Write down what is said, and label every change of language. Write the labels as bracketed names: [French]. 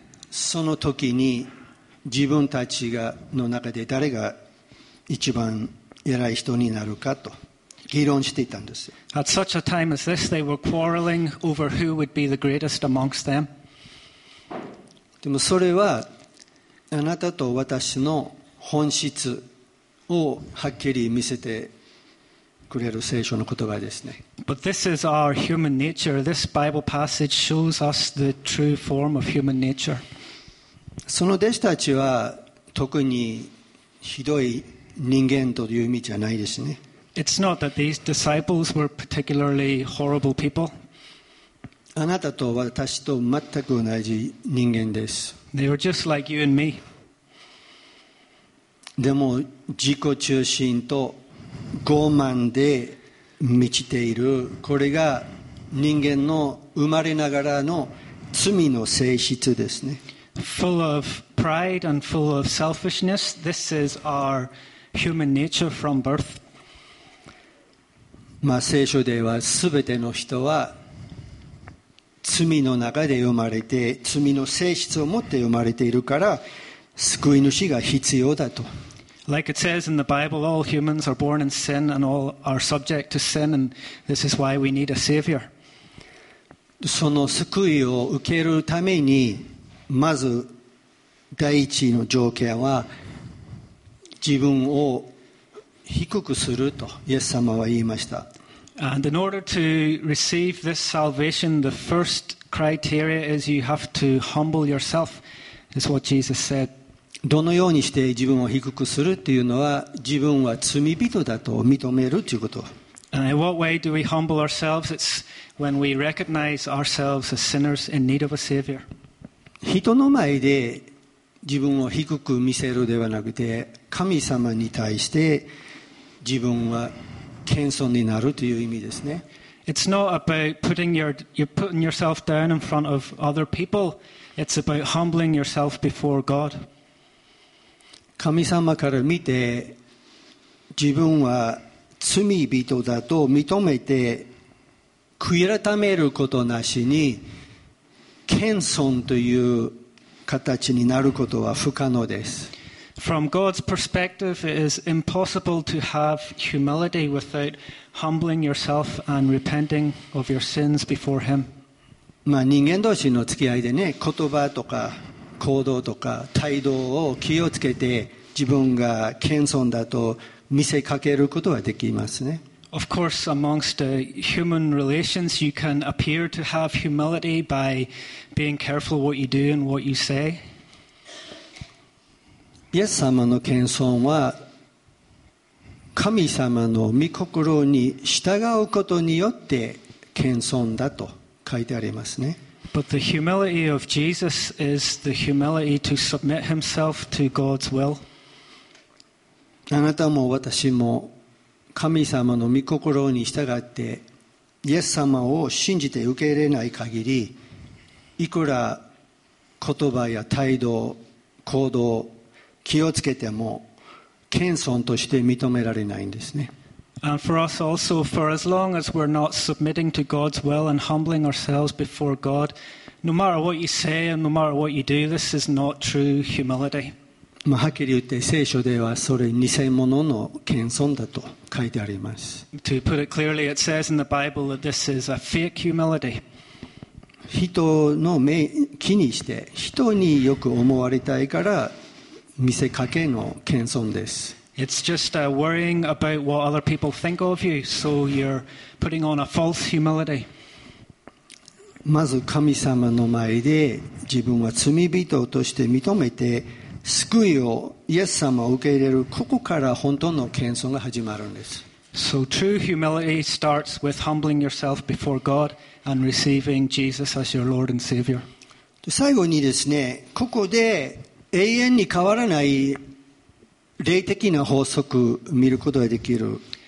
[Japanese] その時に自分たちがの中で誰が一番偉い人になるかと議論していたんです。 [English] At such a time as this, they were quarreling over who would be the greatest amongst them. [Japanese] でもそれはあなたと私の本質をはっきり見せてくれる聖書の言葉ですね。 [English] But this is our human nature. This Bible passage shows us the true form of human nature. [Japanese] その弟子たちは特にひどい人間という意味じゃないですね。 [English] It's not that these disciples were particularly horrible people. [Japanese] あなたと私と全く同じ人間です。 [English] They were just like you and me. [Japanese] でも自己中心と傲慢で満ちている。これが人間の生まれながらの罪の性質ですね。 [English] Full of pride and full of selfishness. This is our human nature from birth. [Japanese] まあ聖書では全ての人は罪の中で生まれて罪の性質を持って生まれているから救い主が必要だと。 [English] Like it says in the Bible, all humans are born in sin and all are subject to sin, and this is why we need a savior. [Japanese] その救いを受けるためにまず第一の条件は自分を低くすると、イエス様は言いました。 [English] And in order to receive this salvation, the first criteria is you have to humble yourself, is what Jesus said. [Japanese] どのようにして自分を低くするっていうのは、自分は罪人だと認めるということ。 [English] And in what way do we humble ourselves? It's when we recognize ourselves as sinners in need of a savior. [Japanese] 人の前で自分を低く見せるではなくて、神様に対して自分は謙遜になるという意味ですね。 [English] It's not about putting yourself down in front of other people. It's about humbling yourself before God. [Japanese] 神様から見て自分は罪人だと認めて、悔い改めることなしに謙遜という形になることは不可能です。 [English] From God's perspective, it is impossible to have humility without humbling yourself and repenting of your sins before Him. [Japanese] まあ人間同士の付き合いでね、言葉とか行動とか態度を気をつけて自分が謙遜だと見せかけることはできますね。 [English] Of course, amongst human relations, you can appear to have humility by being careful what you do and what you say. [Japanese] イエス様の謙遜は、神様の御心に従うことによって謙遜だと書いてありますね。 [English] But the humility of Jesus is the humility to submit himself to God's will. [Japanese] あなたも私も神様の御心に従ってイエス様を信じて受け入れない限り、いくら言葉や態度、行動、気をつけても謙遜として認められないんですね。 [English] And for us also, for as long as we're not submitting to God's will and humbling ourselves before God, no matter what you say and no matter what you do, this is not true humility. [Japanese] まあ、はっきり言って聖書ではそれ偽物の謙遜だと書いてあります。 [English] To put it clearly, it says in the Bible that this is a fake humility. [Japanese] 人の目気にして人によく思われたいから見せかけの謙遜です。 [English] It's just worrying about what other people think of you, so you're putting on a false humility. [Japanese] まず神様の前で自分は罪人として認めて救いをイエス様を受け入れる、ここから本当の謙遜が始まるんです。 [English] So true humility starts with humbling yourself before God and receiving Jesus as your Lord and Savior. [Japanese] 最後にですね、ここで永遠に変わらない霊的な法則を見ることができる。